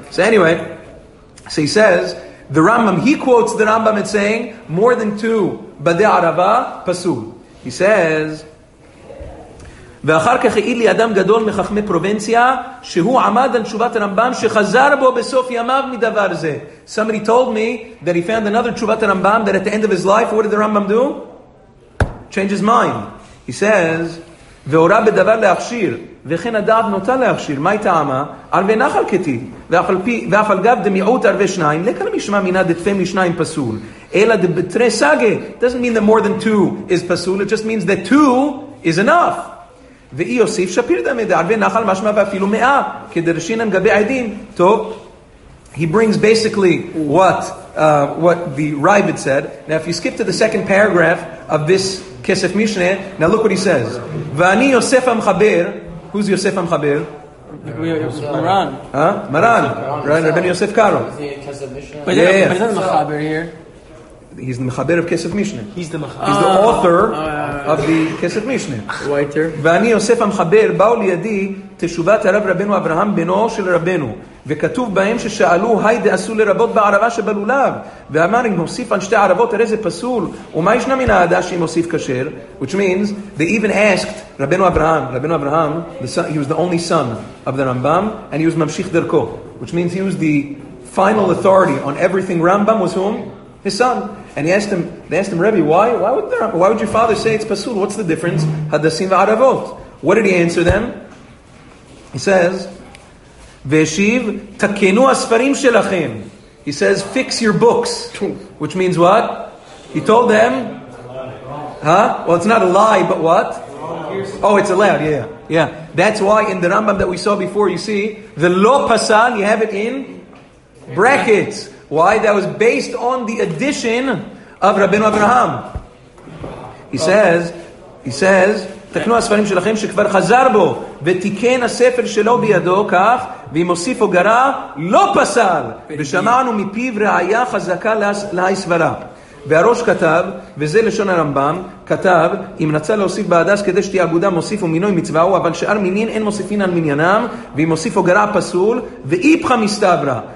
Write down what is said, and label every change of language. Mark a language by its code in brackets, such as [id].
[en] So anyway, so he says, the Rambam, he quotes the Rambam and saying, more than two, Bade Arava, Pasul. He says, [he] ואחר כך העיל לי אדם גדול מחכמי פרובנציה, שהוא עמד על תשובת הרמב״ם, שחזר בו בסוף ימיו מדבר זה. [en] Somebody told me that he found another תשובת הרמב״ם, that at the end of his life, what did the Rambam do? Change his mind. He says, [he] ואורה בדבר להכשיר, וכן הדעת נוטה להכשיר, מהי טעמה? ערבי נחל כתיב, ואף על גב דמיעות ערבי שניים, לכן משמע מינה דתפי משניים פסול, אלא דבטרי סגה, [en] doesn't mean that more than two is פסול, it just means that two is enough. [he] ואי יוסיף שפיר דמיד, ערבי נחל משמע ואפילו מאה, כדרשינם גבי עדים, טוב, [en] he brings basically what the Ravid said. Now if you skip to the second paragraph of this Kesef Mishneh, now look what he says. [he] ואני יוסף המחבר, who's Yosef HaMchaber? [en] Maran. Huh? Maran. Right, Rabbeinu Yosef Karo. Is he a Kesef Mishneh? But he's the Mechaber here. He's the Mechaber of Kesef Mishneh. He's the Mechaber. He's the author of the Kesef Mishneh. Whiter. [he] ואני יוסף המחבר, באו לידי תשובת הרב רבנו אברהם בנו של רבנו. וכתוב בהם ששאלו, היי דעשו לרבות בערבה שבלולב. ואמר, אם הוסיף על שתי ערבות, הרי זה פסול. ומה ישנה מן העדה שאם הוסיף כשר? [en] Which means, they even asked רבנו אברהם, רבנו אברהם, the son, he was the only son of the Rambam, and he was [he] ממשיך דרכו. [en] Which means he was the final authority on everything Rambam was whom? His son. And he asked him, they asked him, Rebbe, why would your father say it's pasul? What's the difference? Hadassim ve'aravot. What did he answer them? He says, [he] ve'eshiv, takenu asfarim shelachem. [en] He says, fix your books. Which means what? He told them, huh? Well, it's not a lie, but what? Oh, it's allowed, yeah. Yeah. That's why in the Rambam that we saw before, you see, the lo pasal, you have it in brackets. Why? That was based on the addition of Rabbeinu Abraham. He says, [he] תקנו הספרים שלכם שכבר חזר בו, ותיקן הספר שלו בידו כך, ואם הוסיף או גרה, לא פסל. ושמענו מפיו ראיה חזקה להסברה. והראש כתב, וזה לשון הרמב״ם, כתב, אם רצה להוסיף בהדס כדי שתהיה אגודה מוסיף ומינוי מצווהו, אבל שאר מינין אין מוסיפין על מניינם, ואם הוסיף או גרע פסול, ואיפך מסתברה.